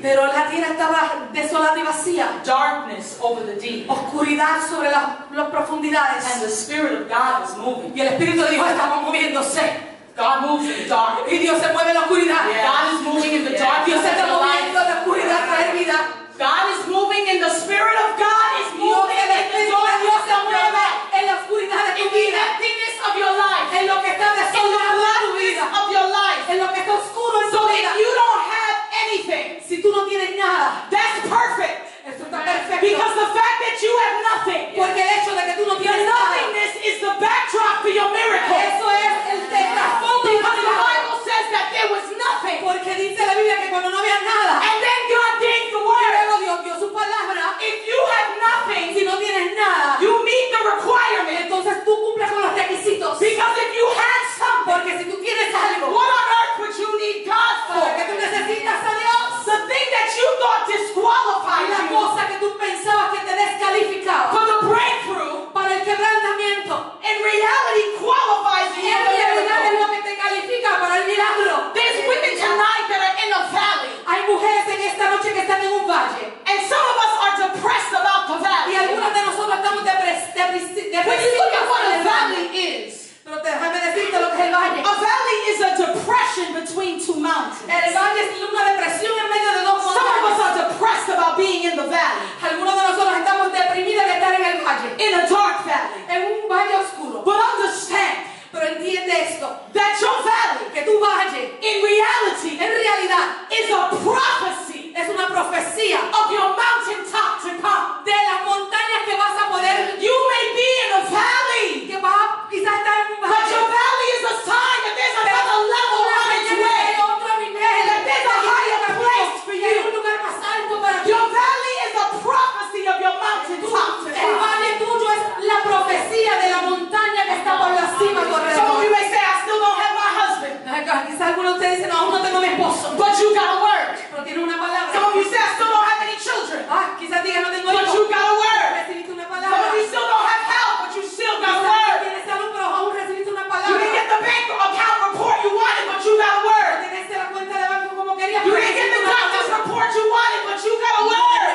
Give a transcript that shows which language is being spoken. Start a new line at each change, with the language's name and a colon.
Spanish: Pero la tierra estaba desolada y vacía.
English: Darkness over the deep.
Spanish: Oscuridad sobre las profundidades.
English: And the Spirit of God was moving.
Spanish: Y el Espíritu de Dios estaba moviéndose.
English: God moves in the dark.
Spanish: Y Dios se mueve en la oscuridad.
English: Yes. God is moving in the yes. dark.
Spanish: Dios se está moviendo en la oscuridad de la vida.
English: God is moving in the Spirit of God. Is moving
Spanish: Dios,
English: in the dark.
Spanish: Dios se mueve en la oscuridad de tu
English: In the emptiness of your life.
Spanish: En lo que está desolado en tu vida.
English: Of your life.
Spanish: En lo que está oscuro en
English: so
Spanish: tu vida.
English: So if you don't have anything,
Spanish: si tú no tienes nada,
English: that's perfect. Because the fact that you have nothing,
Spanish: porque el hecho de que tú no tienes nada,
English: your nothingness is the backdrop for your miracle.
Spanish: Eso es el trasfondo.
English: Because the Bible says that there was nothing.
Spanish: Porque dice la Biblia que cuando no había nada.
English: And then God gave the word.
Spanish: Luego Dios dio su palabra.
English: If you have nothing,
Spanish: si no tienes nada,
English: you meet the requirement.
Spanish: Entonces tú cumples con los requisitos.
English: Because if you had something,
Spanish: porque si tú tienes algo,
English: what on earth would you need God for?
Spanish: Porque tú necesitas a Dios.
English: The thing that you thought disqualified
Spanish: la cosa que tú pensabas que te descalificaba
English: for the breakthrough,
Spanish: para el quebrantamiento,
English: in reality qualifies you for the miracle.
Spanish: En realidad es lo que te califica para el milagro.
English: There's women tonight that are in a valley.
Spanish: Hay mujeres en esta noche que están en un valle.
English: And some of us are depressed about the valley.
Spanish: Y algunas de nosotros estamos depresivos.
English: But you look at what a valley is.
Spanish: Pero déjame decirte lo que es el valle.
English: A valley is a depression between two mountains.
Spanish: El valle es una depresión en medio de dos montañas.
English: Some of us are depressed about being in the valley.
Spanish: Algunos de nosotros estamos deprimidos de estar en el valle.
English: In a dark valley.
Spanish: En un valle oscuro.
English: But understand.
Spanish: Pero entiende esto.
English: That your valley.
Spanish: Que tu valle.
English: In reality.
Spanish: En realidad.
English: Is a prophecy.
Spanish: Es una profecía.
English: Of your mountain top to come.
Spanish: De las montañas que vas a poder.
English: You may be in a valley.
Spanish: Que va a quizás estar en un valle.
English: But your valley is a sign that there's another level on its way.
Spanish: Que hay otro nivel.
English: That there's a higher place for you.
Spanish: Que hay un lugar más alto para ti.
English: Your valley is a prophecy of your mountain top to come.
Spanish: El valle tuyo es la profecía de la montaña que está por la cima corriendo.
English: Some of you may say, I still don't have my husband.
Spanish: Quizás algunos de ustedes dicen, aún no tengo mi esposo.
English: But you got a word.
Spanish: Pero tiene una palabra.
English: Some of you say, I still don't have any children.
Spanish: Ah, quizás digan, no tengo hijos.
English: But you got a word.
Spanish: Recibiste una palabra.
English: Some of you still don't have help, but you still got a word. You didn't get the bank account report you wanted, but you got a word. You didn't get the doctor's report you wanted, but you got a word.